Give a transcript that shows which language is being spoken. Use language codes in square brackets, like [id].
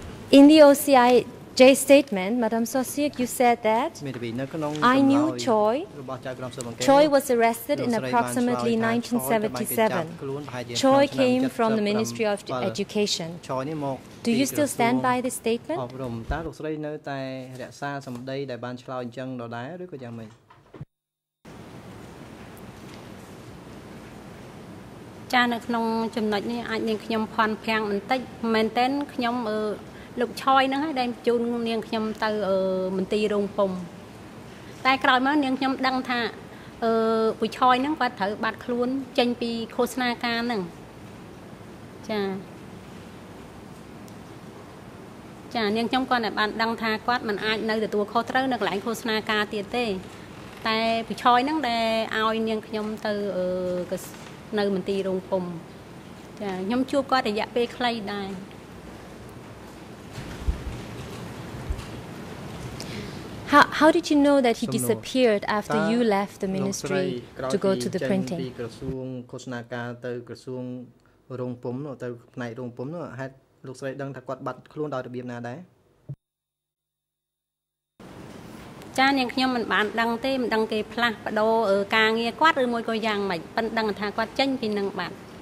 [en] In the OCIJ statement, Madame Saussure, you said that I knew Choi. Choi was arrested in approximately 1977. Choi came from the Ministry of Education. Do you still stand by this statement? [km] អបរំតើលោកស្រីនៅតែរក្សាសម្ដីដែលបានឆ្លើយអញ្ចឹងដដែលឬក៏យ៉ាងម៉េច? ចានៅក្នុងចំណុចនេះអាចនាងខ្ញុំផាន់ភាំងបន្តិចមែនតើខ្ញុំលោកឆយហ្នឹងឯងដែលជូននាងខ្ញុំទៅមន្ទីររងពំតែក្រោយមកនាងខ្ញុំដឹងថាពូឆយហ្នឹងគាត់ត្រូវបាត់ខ្លួនចេញពីឃោសនាការហ្នឹងចា ចានាងខ្ញុំគាត់បានដឹងថាគាត់មិនអាចនៅទទួលខុសត្រូវនៅកន្លែងឃោសនាការទៀតទេតែពូឆយហ្នឹងដែលឲ្យនាងខ្ញុំទៅនៅមន្ទីររងភូមិចាខ្ញុំជួបគាត់រយៈពេលខ្លីដែរ [en] How did you know that he disappeared after you left the ministry to go to the printing? [km] ក្រសួងឃោសនាការទៅក្រសួងរងភូមិទៅផ្នែករងភូមិហេតុលោកស្រីដឹងថាគាត់បាត់ខ្លួនដោយរបៀបណាដែរ ចានាងខ្ញុំមិនបានដឹងទេមិនដឹងគេផ្លាស់បដូរការងារគាត់ឬមួយក៏យ៉ាងម៉េចប៉ិនដឹងថាគាត់ចេញពីនឹងបាត